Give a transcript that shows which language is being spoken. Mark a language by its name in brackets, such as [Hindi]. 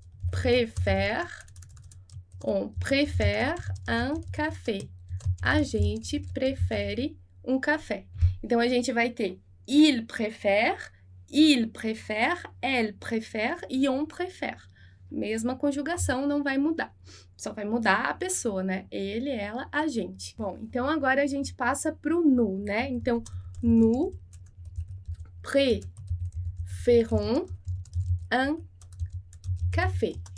[French] Préfère, on préfère un café. [Portuguese] A gente prefere um café. Então a gente vai ter [French] il préfère, elle préfère [Portuguese] e on préfère. Mesma conjugação, não vai mudar. Só vai mudar a pessoa, né? Ele, ela, a gente. Bom, então agora a gente passa para o nous, né? Então, [French] nous préférons un café.